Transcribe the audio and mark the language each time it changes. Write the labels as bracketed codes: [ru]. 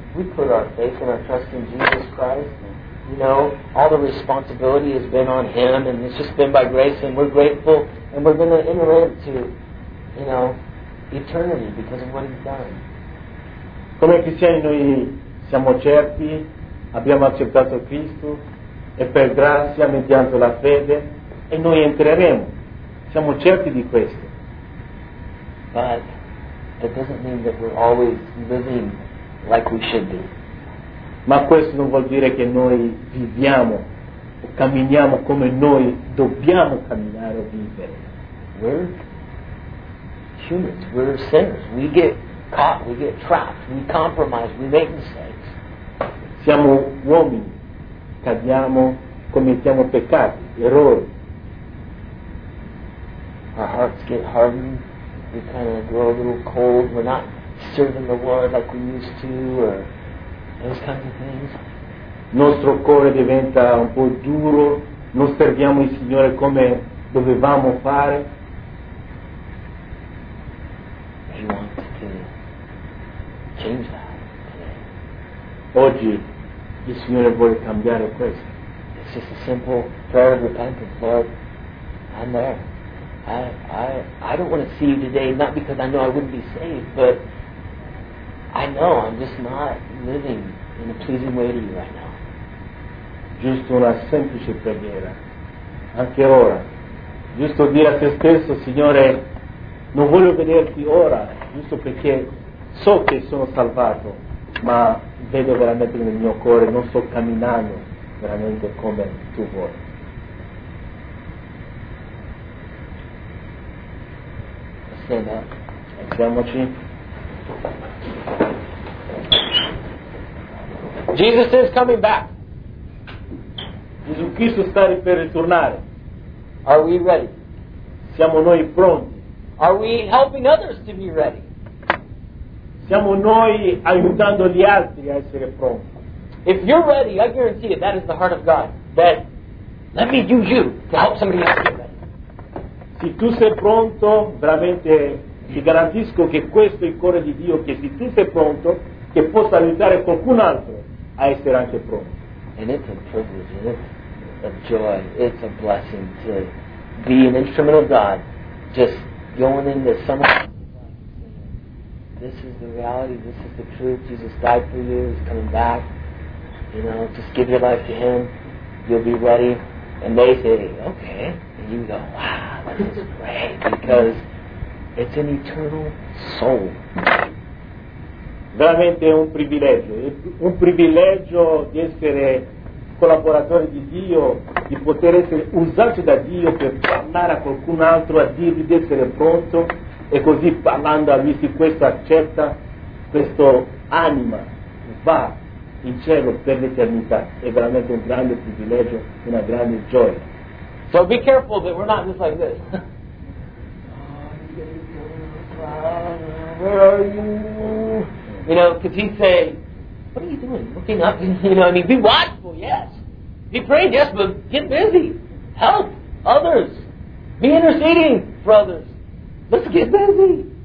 [en] We put our faith and our trust in Jesus Christ. You know, all the responsibility has been on Him, and it's just been by grace, and we're grateful, and we're going to enter into, you know, eternity because of what He's done. [it] Come cristiani noi siamo certi, abbiamo accettato Cristo e per grazia, mediante la fede, e noi entreremo. Siamo certi di questo. [en] But that doesn't mean that we're always living like we should be. [it] Ma questo non vuol dire che noi viviamo o camminiamo come noi dobbiamo camminare o vivere. [en] We're humans, we're sinners, we get caught, we get trapped, we compromise, we make mistakes. [it] Siamo uomini, cadiamo, commettiamo peccati, errori. [en] Our hearts get hardened, we kind of grow a little cold, we're not serving the Lord like we used to, or those kinds of things. [it] Nostro cuore diventa un po' duro, non serviamo il Signore come dovevamo fare. [en] Change that. [it] Oggi il Signore vuole cambiare questo. [en] It's just a simple prayer of repentance, Lord. I'm there. I don't want to see you today, not because I know I wouldn't be saved, but I know I'm just not living in a pleasing way to you right now. [it] Giusto una semplice preghiera. Anche ora. Giusto dire a te stesso, Signore, non voglio vederti ora, giusto perché so che sono salvato, ma vedo veramente nel mio cuore, non sto camminando veramente come tu vuoi. [en] Stand up. [it] Alziamoci. [en] Jesus is coming back. [it] Gesù Cristo sta per ritornare. [en] Are we ready? [it] Siamo noi pronti? [en] Are we helping others to be ready? [it] Siamo noi aiutando gli altri a essere pronti. [en] If you're ready, I guarantee you, that is the heart of God. That, let me use you to help somebody else get ready. [it] Se tu sei pronto, veramente ti garantisco che questo è il cuore di Dio, che se tu sei pronto, che possa aiutare qualcun altro a essere anche pronto. [en] And it's a privilege, and it's a joy, it's a blessing to be an instrument of God, just going into someone. This is the reality, this is the truth. Jesus died for you, He's coming back. You know, just give your life to Him. You'll be ready. And they say, okay. And you go, wow, this is great, because it's an eternal soul. [it] Veramente è un privilegio di essere collaboratore di Dio, di poter essere usato da Dio per parlare a qualcun altro, a dirgli di essere pronto, e così parlando a lui, se questo accetta, questo anima va in cielo per l'eternità. È veramente un grande privilegio, una grande gioia. [en] So be careful that we're not just like this. Where are you? You know, because he'd say, what are you doing? Looking up, you know, I mean, be watchful, yes. Be praying, yes, but get busy. Help others. Be interceding for others. Let's get busy.